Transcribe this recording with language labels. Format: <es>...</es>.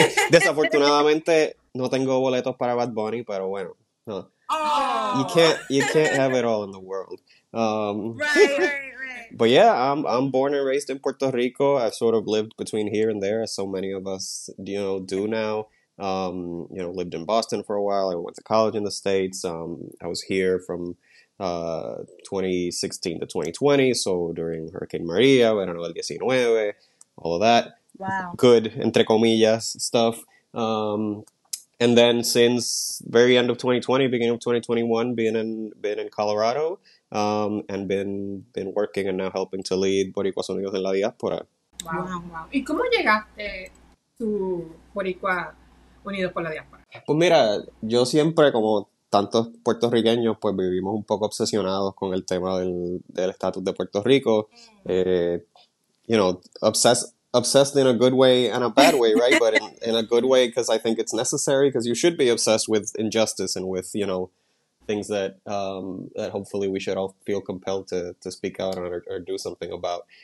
<es>Desafortunadamente no tengo boletos para Bad Bunny, pero bueno, no. Oh.</es> <en>You can't have it all in the world. Right. But yeah, I'm born and raised in Puerto Rico. I've sort of lived between here and there, as so many of us, you know, do now. You know, lived in Boston for a while. I went to college in the States. I was here from 2016 to 2020, so during Hurricane Maria, Verano del 19, all of that. Wow. Good,</en> <es>entre comillas,</es> <en>stuff. And then since very end of 2020, beginning of 2021, been in Colorado, and been working and now helping to lead Boricua Sonidos en la Diáspora. Wow.</en> <es>¿Y cómo llegaste tu Boricua Unidos por la Diáspora? Pues mira, yo siempre, como tantos puertorriqueños, pues vivimos un poco obsesionados con el tema del estatus de Puerto Rico.</es> <en>You know, obsessed in a good way and a bad way, right? But in a good way, because I think it's necessary, because you should be obsessed with injustice and with, you know, things that that hopefully we should all feel compelled to speak out on or do something about.</en>